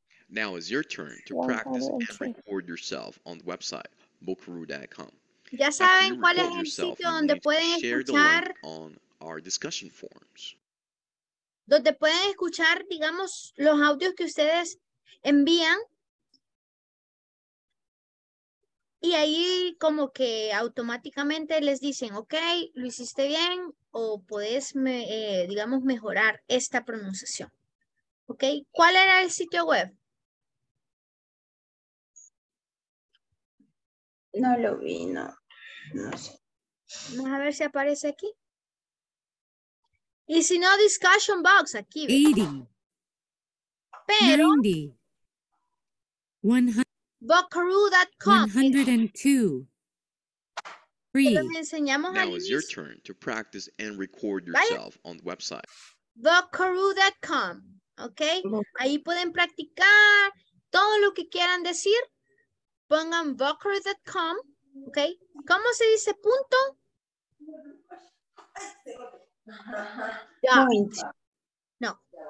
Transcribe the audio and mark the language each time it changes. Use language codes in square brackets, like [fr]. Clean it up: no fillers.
[en] Now is your turn to practice and record yourself on the website bookaroo.com. [es] Ya saben cuál es el sitio donde pueden escuchar [en] on our discussion forums. [es] Donde pueden escuchar, digamos, los audios que ustedes envían. Y ahí como que automáticamente les dicen, ok, lo hiciste bien o puedes, digamos, mejorar esta pronunciación. Ok, ¿cuál era el sitio web? No lo vi, no sé. Vamos a ver si aparece aquí. Y si no, [en] discussion box [es] aquí. 80. Pero... 90. 100. [en] Bookaroo.com. 102. Free. [es] Les enseñamos [en] now is your turn to practice and record yourself on the website. Bookaroo.com. Okay. [es] Ahí pueden practicar todo lo que quieran decir. Pongan Bookaroo.com. Okay. ¿Cómo se dice punto? [en] Point. [es] No.